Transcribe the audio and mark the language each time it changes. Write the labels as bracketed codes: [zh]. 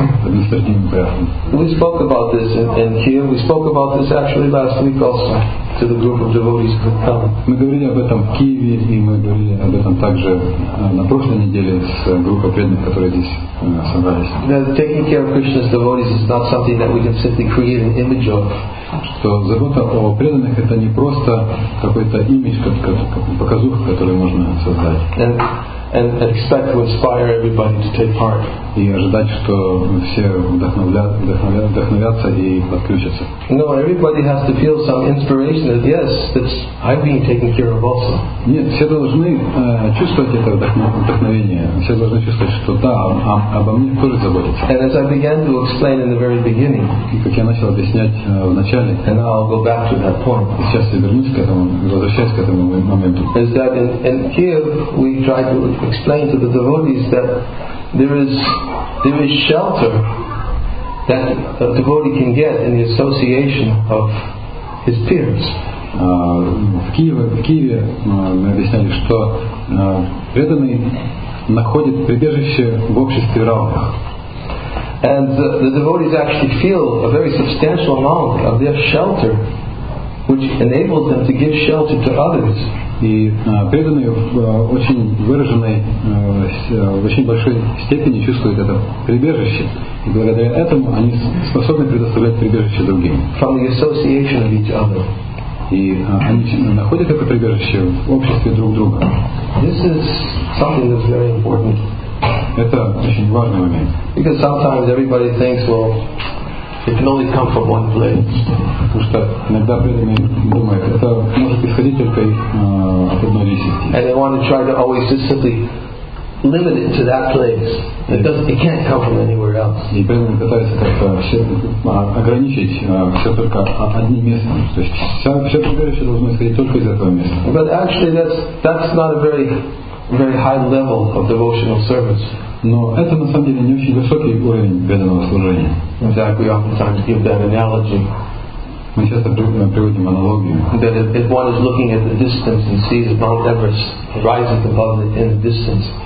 [en] We spoke about this in Kiev. We spoke about this actually last week also to the group of devotees who come. [ru] Мы говорили об этом в Киеве, и мы говорили об этом также на прошлой неделе с группой преданных, которые здесь собрались. [en] That taking care of Krishna's devotees is not something that we can simply create an image of. [ru] Что забота о преданных это не просто какой-то имидж, показуха, которую можно создать. [en] And expect to inspire everybody to take part. [ru] И ожидать, что все вдохновятся и подключатся. [en] No, everybody has to feel some inspiration that yes, that's I'm being taken care of also. [ru] Нет, все должны чувствовать это вдохновение. Все должны чувствовать, что да, обо мне тоже заботятся. [en] And as I began to explain in the very beginning. [ru] И как я начал объяснять в начале. [en] And now I'll go back to that point. [ru] И сейчас я вернусь к этому, возвращаюсь к этому моменту. [en] Is that in Kiev we try to explain to the devotees that there is shelter that a devotee can get in the association of his peers. [ru] В Киеве мы объясняли, что преданный находит прибежище в обществе равных. [en] And the devotees actually feel a very substantial amount of their shelter, which enables them to give shelter to others. [ru] И преданные очень выраженной, в очень большой степени чувствуют это прибежище. И благодаря этому они способны предоставлять прибежище другим. [en] From the association of each other. [ru] И они находят это прибежище в обществе друг друга. [en] This is something that's very important. [ru] Это очень важный момент. [en] Because sometimes everybody thinks, well, it can only come from one place. [ru] Потому что иногда преданные думают, это может исходить только от одной личности. [en] And they want to try to always just simply limit it to that place. It can't come from anywhere else. [ru] И преданные пытаются как-то все ограничить все только одним местом. То есть все прибежище должно исходить только из этого места. [en] But actually, that's not a very, very high level of devotional service. [ru] Но это на самом деле не очень высокий уровень преданного служения. [en] In fact, we oftentimes give that analogy. [ru] Мы часто приводим аналогию. [en] That if one is looking at the distance and sees Mount Everest rising above it in the distance.